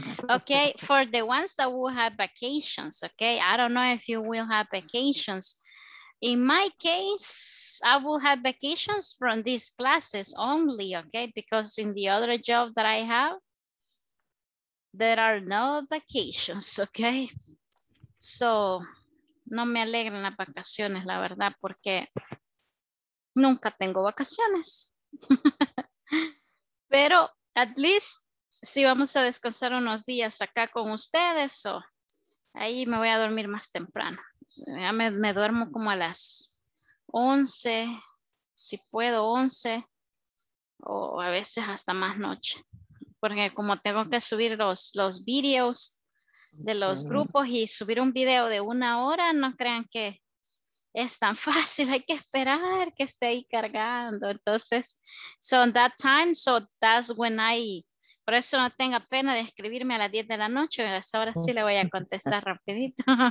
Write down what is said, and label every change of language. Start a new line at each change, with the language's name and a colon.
English: Okay, for the ones that will have vacations, okay? I don't know if you will have vacations. In my case, I will have vacations from these classes only, okay? Because in the other job that I have, there are no vacations, okay?
Spanish: So, no me alegran las vacaciones, la verdad, porque nunca tengo vacaciones. Pero,
English: at least,
Spanish: si vamos a descansar unos días acá con ustedes, o ahí me voy a dormir más temprano. Ya me duermo como a las 11, si puedo, 11, o a veces hasta más noche. Porque como tengo que subir los videos de los grupos y subir un video de una hora, no crean que es tan fácil. Hay que esperar que esté ahí cargando. Entonces,
English: so in that time, so that's when I...
Spanish: Por eso no tenga pena de escribirme a las 10 de la noche. A esa hora sí le voy a contestar rapidito.